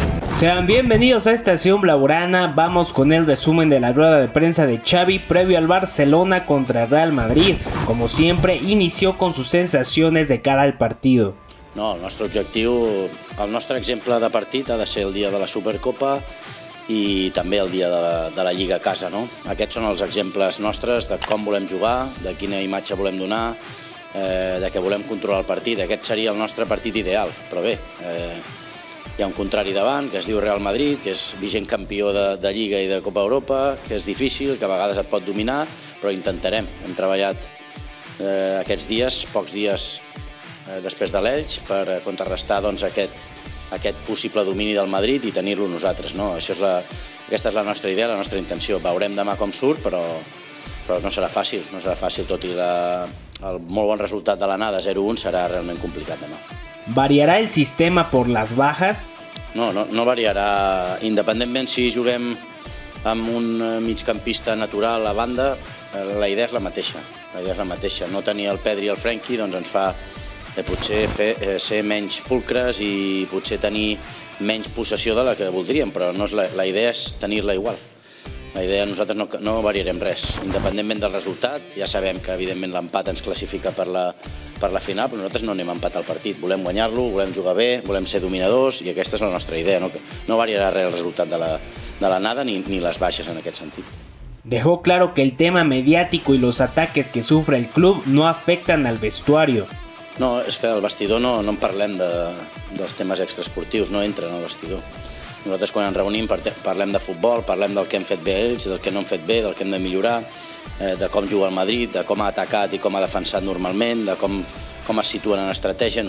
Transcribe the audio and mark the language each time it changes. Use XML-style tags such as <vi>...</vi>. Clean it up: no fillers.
<es>Sean bienvenidos a Estación Blaugrana. Vamos con el resumen de la rueda de prensa de Xavi previo al Barcelona contra Real Madrid. Como siempre, inició con sus sensaciones de cara al partido.</es> <ca>No, el nostre objectiu, el nostre exemple de partit ha de ser el dia de la Supercopa i també el dia de la Lliga a casa, no? Aquests són els exemples nostres de com volem jugar, de quina imatge volem donar, de que volem controlar el partit. Aquest seria el nostre partit ideal, però bé, hi ha un contrari davant, que es diu Real Madrid, que és vigent campió de Lliga i de Copa Europa, que és difícil, que a vegades et pot dominar, però intentarem. Hem treballat aquests dies, pocs dies després de l'Elx, per contrarrestar doncs, aquest possible domini del Madrid i tenir-lo nosaltres. No? Això és aquesta és la nostra idea, la nostra intenció. Veurem demà com surt, però no serà fàcil. No serà fàcil, tot i el molt bon resultat de l'anada 0-1 serà realment complicat demà.</ca> <es>¿Variará el sistema por las bajas?</es> <ca>No variarà. Independentment si juguem amb un migcampista natural a banda, la idea és la mateixa. La idea és la mateixa. No tenir el Pedri i el Frenkie doncs ens fa potser ser menys pulcres i potser tenir menys possessió de la que voldríem, però no és la idea és tenir-la igual. La idea, nosaltres no variarem res. Independentment del resultat, ja sabem que evidentment l'empat ens classifica per la final, però nosaltres no anem a empatar el partit. Volem guanyar-lo, volem jugar bé, volem ser dominadors i aquesta és la nostra idea. No, no variarà res el resultat de la nada ni les baixes en aquest sentit.</ca> <es>Dejó claro que el tema mediático y los ataques que sufre el club no afectan al vestuario.</es> <ca>No, és que al vestidor no en parlem dels temes extraesportius, no entren al vestidor. Nosaltres quan ens reunim parlem de futbol, parlem del que hem fet bé ells, del que no hem fet bé, del que hem de millorar, de com juga el Madrid, de com ha atacat i com ha defensat normalment, de com es situen en estratègia.</ca>